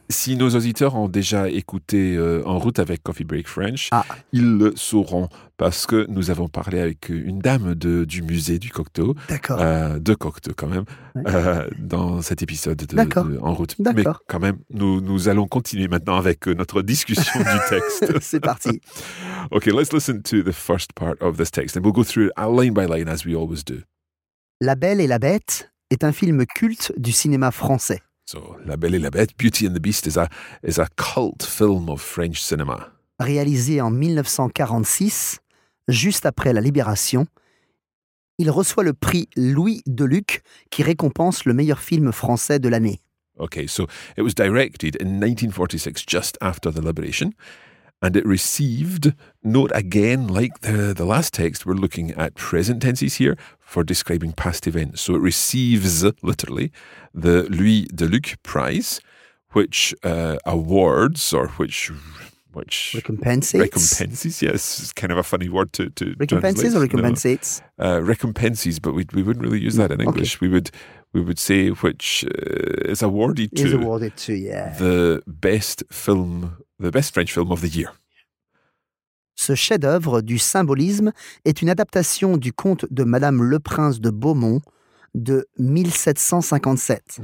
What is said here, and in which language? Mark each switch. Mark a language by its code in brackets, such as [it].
[fr] Si nos auditeurs ont déjà écouté En route avec Coffee Break French, ils le sauront, parce que nous avons parlé avec une dame du musée du Cocteau, de Cocteau quand même, dans cet épisode de En route. D'accord. Mais quand même, nous allons continuer maintenant avec notre discussion du texte. C'est parti. [en] Ok, let's listen to the first part of this text, and we'll go through it line by line as we always do. [fr] La Belle et la Bête est un film culte du cinéma français. [en] So, La Belle et la Bête, Beauty and the Beast, is a cult film of French cinema. [fr] Réalisé en 1946, juste après la Libération, il reçoit le prix Louis Deluc, qui récompense le meilleur film français de l'année. [en] Okay, so it was directed in 1946, just after the Liberation, and it received, note again, like the last text, we're looking at present tenses here, for describing past events. So it receives, literally, the Louis Deluc Prize, which awards, or which recompenses, yes. It's kind of a funny word to recompenses Recompenses or recompensates? Recompenses, but we wouldn't really use that in English. Okay. We would say which is awarded to yeah. the best French film of the year. [fr] Ce chef-d'œuvre du symbolisme est une adaptation du conte de Madame le Prince de Beaumont de 1757.